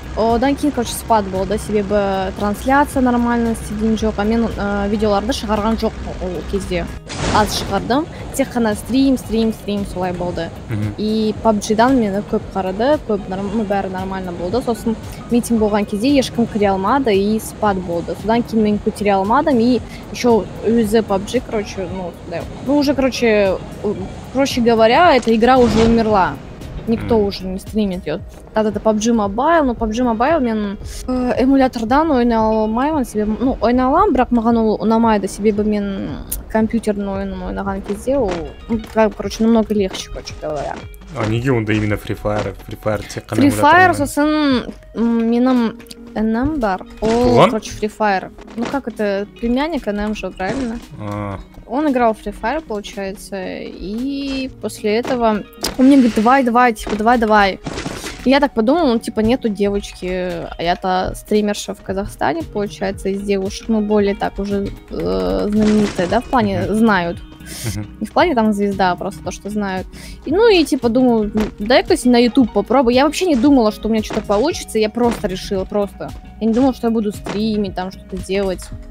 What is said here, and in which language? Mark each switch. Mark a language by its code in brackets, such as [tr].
[kk] Одан кейін, короче, спад болды, себебі трансляция нормально істеген жоқ, а мен видеоларды шығарған жоқ ол кезде. аз шығардым, тек қана стрим солай болды. И PUBG-дан мені көп қарады, көп бәрі нормально болды. Сосын митинг болған кезде ешкім кіре алмады и спад болды. Содан кейін мен көтере алмадым [ru] и еще өзі PUBG, короче, проще говоря, эта игра уже умерла. Никто уже не стримит ее. Это PUBG Mobile, но PUBG Mobile [kk] мен эмулятордан ойналмаймын себе, ойналам, бірақ маған ол ұнамайды, себебі мен компьютердің ойынын ойнаған кезде ол, короче, [ru] намного легче, короче говоря. [kk] А неге онда именно Free Fire? Free Fire тек қана Free Fire сосын менің НМ бар. [ru] Он, короче, Free Fire. Ну как это, племянник НМ же, правильно? Он играл в Free Fire, получается. И после этого он мне говорит, давай. И я так подумала, нету девочки. А я-то стримерша в Казахстане, получается, из девушек. Ну более так уже знаменитая, да, в плане знают. Не в плане там звезда, а просто то, что знают. И, ну и типа думаю, дай-ка на YouTube попробую. Я вообще не думала, что у меня что-то получится. Я просто решила, просто. Я не думала, что я буду стримить, там что-то делать.